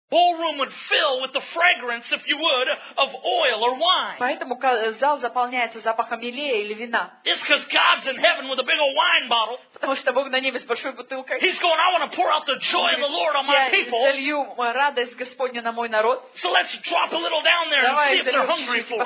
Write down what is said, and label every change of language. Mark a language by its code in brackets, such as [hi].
[en] Ballroom would fill with the fragrance, if you would, of oil or wine. [ru] Поэтому зал заполняется запахом елея или вина. [en] It's because God's in heaven with a big old wine bottle. [ru] Потому что Бог на небе с большой бутылкой. [en] He's going, I want to pour out the joy of the Lord on my people. [ru] Я залью радость Господня на мой народ. [en] So let's drop a little down there and see if they're hungry for it.